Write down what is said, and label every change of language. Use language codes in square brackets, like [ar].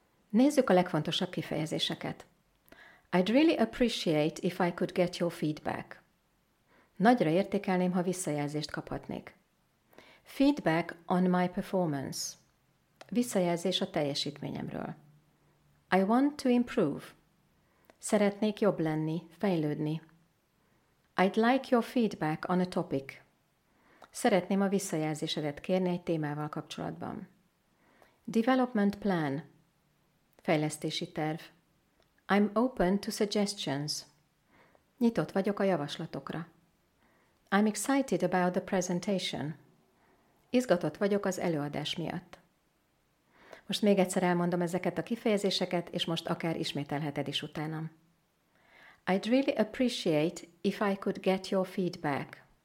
[hu] Nézzük a legfontosabb kifejezéseket. [en] I'd really appreciate if I could get your feedback. [hu] Nagyra értékelném, ha visszajelzést kaphatnék. [en] Feedback on my performance. [hu] Visszajelzés a teljesítményemről. [en] I want to improve. [hu] Szeretnék jobb lenni, fejlődni. [en] I'd like your feedback on a topic. [hu] Szeretném a visszajelzésedet kérni egy témával kapcsolatban. [en] Development plan. [hu] Fejlesztési terv. [en] I'm open to suggestions. [hu] Nyitott vagyok a javaslatokra. [en] I'm excited about the presentation. [hu] Izgatott vagyok az előadás miatt. Most még egyszer elmondom ezeket a kifejezéseket, és most akár ismételheted is utánam. [en] I'd really appreciate if I could get your feedback.